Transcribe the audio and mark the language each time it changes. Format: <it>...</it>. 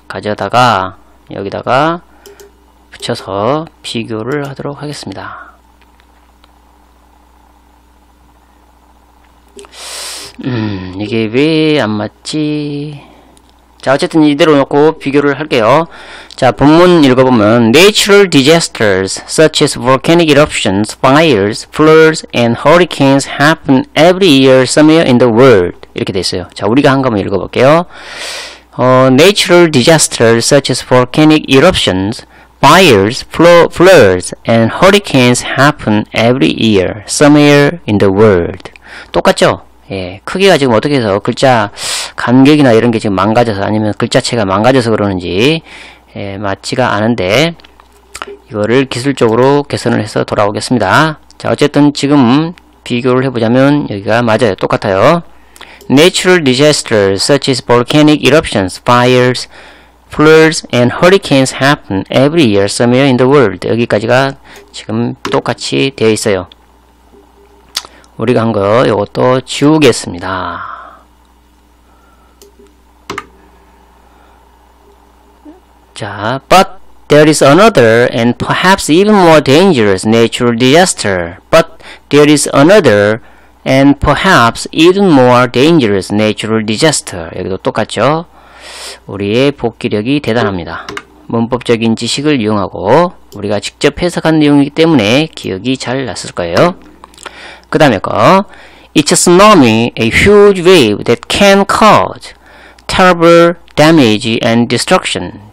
<ko>가져다가 여기다가 붙여서 비교를 하도록 하겠습니다. 이게 왜 안 맞지? 자, 어쨌든 이대로 놓고 비교를 할게요. 자, 본문 읽어보면</ko> <en>Natural disasters such as volcanic eruptions, fires, floods, and hurricanes happen every year somewhere in the world.</en> <ko>이렇게 돼 있어요. 자, 우리가 한 거만 읽어볼게요.</ko> <en>Natural disasters such as volcanic eruptions, fires, floods, and hurricanes happen every year somewhere in the world.</en> <ko>똑같죠? 예, 크기가 지금 어떻게 해서 글자 간격이나 이런 게 지금 망가져서 아니면 글자체가 망가져서 그러는지 예, 맞지가 않은데 이거를 기술적으로 개선을 해서 돌아오겠습니다. 자, 어쨌든 지금 비교를 해보자면 여기가 맞아요. 똑같아요.</ko> <en>Natural disasters such as volcanic eruptions, fires, floods, and hurricanes happen every year somewhere in the world.</en> <ko>여기까지가 지금 똑같이 되어 있어요. 우리가 한 거 이것도 지우겠습니다.</ko> <en>자, but there is another and perhaps even more dangerous natural disaster. But there is another and perhaps even more dangerous natural disaster.</en> <ko>여기도 똑같죠? 우리의 복기력이 대단합니다. 문법적인 지식을 이용하고 우리가 직접 해석한 내용이기 때문에 기억이 잘 났을 거예요. 그 다음에 거,</ko> <en>It's a tsunami, a huge wave that can cause terrible damage and destruction.</en>